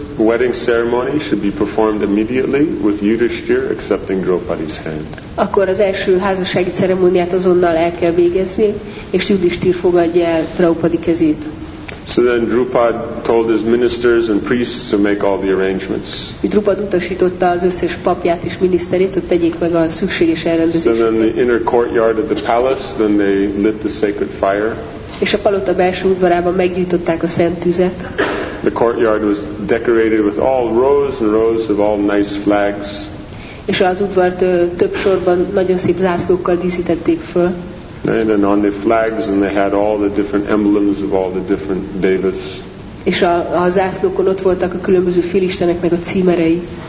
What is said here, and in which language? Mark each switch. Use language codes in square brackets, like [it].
[en] wedding ceremony should be performed immediately with Yudhishthira accepting Draupadi's hand. [hu] Akkor az első házassági ceremóniát azonnal el kell végezni, és Yudhishthir fogadja el Draupadi kezét. [en] So then Drupad told his ministers and priests to make all the arrangements. [hu] Drupad utasította az összes papját és miniszterét, hogy tegyék meg a szükséges elrendezéseket. [en] So then the inner courtyard of the palace, then they lit the sacred fire. [hu] És a palota belső udvarában meggyújtották a szent tüzet. [en] The courtyard was decorated with all rows and rows of all nice flags. [hu] És az udvart több sorban nagyon szép zászlókkal díszítették föl. [en] And on the flags, and they had all the different emblems of all the different devas. [hu] És a zászlókon ott voltak a különböző félistenek meg a címerei.